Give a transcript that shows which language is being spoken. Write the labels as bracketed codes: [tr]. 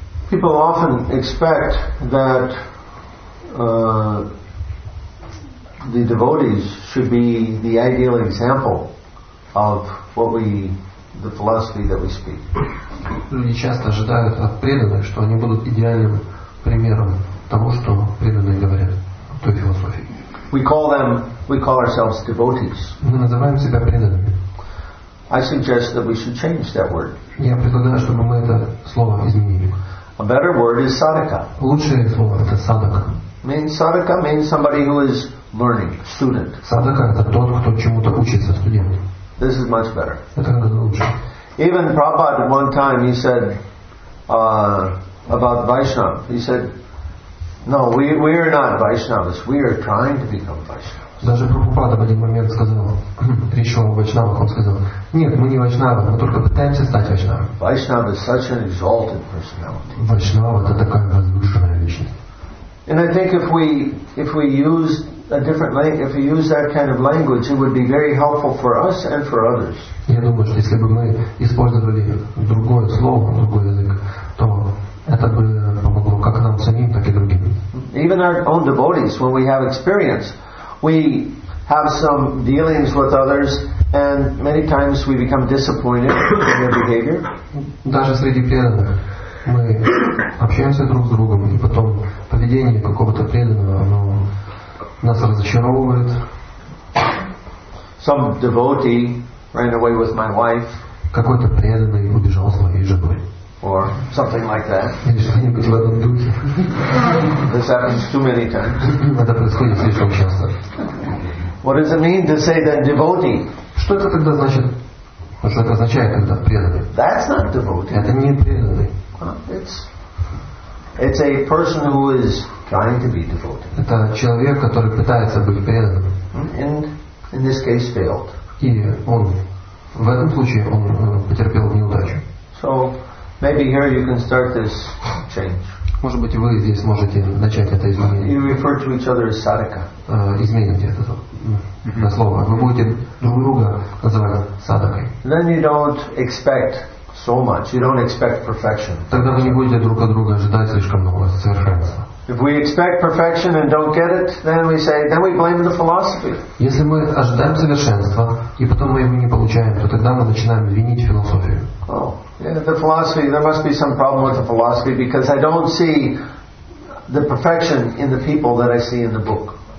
[en] People often expect that the devotees should be the ideal example of the philosophy that we speak. [ru] Люди часто ожидают от преданных, что они будут идеальным примером того, что преданные говорят, той философии. [en] We call ourselves devotees. [ru] Мы называем себя преданными. [en] I suggest that we should change that word. [ru] Я предлагаю, чтобы мы это слово изменили. [en] A better word is sadaka. [ru] Лучшее слово это sadaka. [en] Sadaka means somebody who is learning, student. [ru] Sadaka это тот, кто чему-то учится, студент. [en] This is much better. [ru] Это гораздо лучше. [en] Even Prabhupada one time he said about Vaishnava. He said, "No, we are not Vaishnavas. We are trying to become Vaishnavas." [ru] Даже Прабхупада в один момент сказал, пришел Вайшнава, он сказал, "Нет, мы не Вайшнава, мы только пытаемся стать Вайшнава." [en] Vaishnava is such an exalted personality. [ru] Вайшнава это такая возвышенная личность. [en] And I think if we use a different language, if we use that kind of language, it would be very helpful for us and for others. [ru] Я думаю, что если бы мы использовали другое слово, другой язык, то это бы помогло как нам самим, так и другим. [en] Even our own devotees, when we have experience, we have some dealings with others, and many times we become disappointed in their behavior. [ru] Даже среди преданных. Мы общаемся друг с другом, и потом поведение какого-то преданного, оно нас разочаровывает. [en] Some devotee ran away with my wife. [ru] Какой-то преданный убежал с моей женой. [en] Or something like that. [ru] Или что-нибудь в этом духе. [en] This happens too many times. [ru] Это происходит слишком часто. [en] What does it mean to say that devotee? [ru] Что это тогда значит? Что это означает, когда преданный? [en] That's not devotee. [ru] Это не преданный. [en] It's a person who is trying to be devoted. [ru] Это человек, который пытается быть преданным. [en] And in this case, failed. [ru] И он в этом случае он потерпел неудачу. [en] So maybe here you can start this change. [ru] Может быть, вы здесь можете начать это изменение. [en] You refer to each other as sadaka. [ru] Измените это на слово. Вы будете друг друга называть садакой. [en] Then you don't expect. So much. You don't expect perfection. [ru] Тогда вы не будете друг от друга ожидать слишком много совершенства. [en] If we expect perfection and don't get it, then we blame the philosophy. [ru] Если мы ожидаем совершенства и потом мы его не получаем, то тогда мы начинаем винить философию. [en] Oh, yeah, the philosophy. There must be some problem with the philosophy because I don't see the perfection in the people that I see in the book.